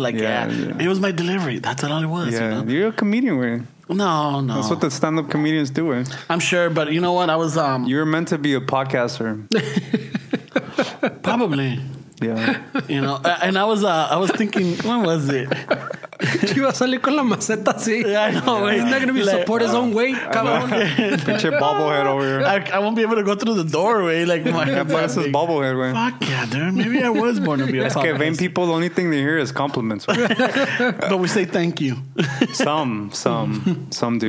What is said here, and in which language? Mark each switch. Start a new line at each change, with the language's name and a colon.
English: Like, yeah. It was my delivery. That's all it was. Yeah. You know? You're a comedian, wey. No. That's what the stand-up comedians do, eh? I'm sure, but you know what? I was You were meant to be a podcaster. Probably. Yeah. You know, and I was thinking, when was it?
Spanish: Que iba a salir con la maceta, sí.
English: Yeah, I know. He's not going to be like, support his own weight. Pinche bobblehead over here. I won't be able to go through the doorway. Like, my ass is bobblehead, man. Fuck yeah, dude. Maybe I was born to be a podcast. Okay, vain people, the only thing they hear is compliments. But we say thank you. Some do.